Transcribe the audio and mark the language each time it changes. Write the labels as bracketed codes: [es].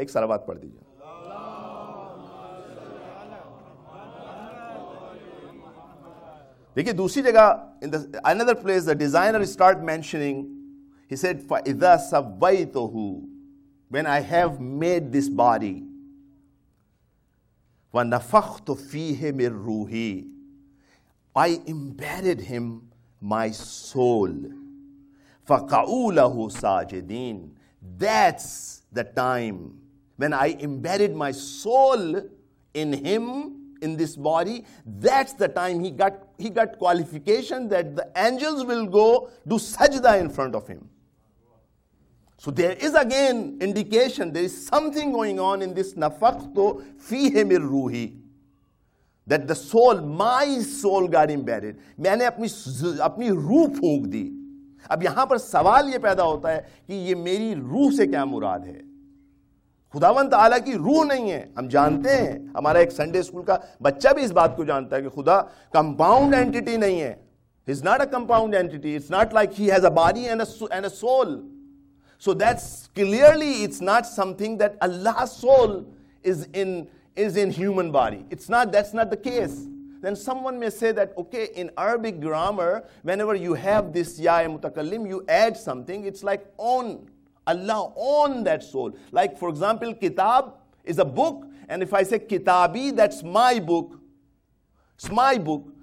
[hi] एक सलावत पढ़ दीजिए, देखिए [en] दूसरी जगह in the another place the designer start mentioning, he said इज़ा सवैतुहु when I have made this body [ar] ونفخت فيه من روحي [en] I embedded him my soul [ar] فقعوا له ساجدين. [en] That's the time when I embedded my soul in him, in this body. That's the time he got qualification that the angels will go do sajda in front of him. So there is again indication, there is something going on in this nafakhto fihi mir ruhi, that the soul, my soul got embedded. [hi] Maine apni ruh phook di. Ab yahan par sawal ye paida hota hai ki ye meri ruh se kya murad hai? खुदावंद आला की रूह नहीं है। हम जानते हैं, हमारा एक संडे स्कूल का बच्चा भी इस बात को जानता है कि खुदा कंपाउंड एंटिटी नहीं है। [en] Is not a compound entity, it's not like he has a body and a soul. So that's clearly it's not something that Allah soul is in human body, it's not, that's not the case. Then someone may say that, okay, in Arabic grammar, whenever you have this ya mutakallim, you add something, it's like on. Allah own that soul. Like for example, kitab is a book, and if I say kitabi, that's my book. It's my book.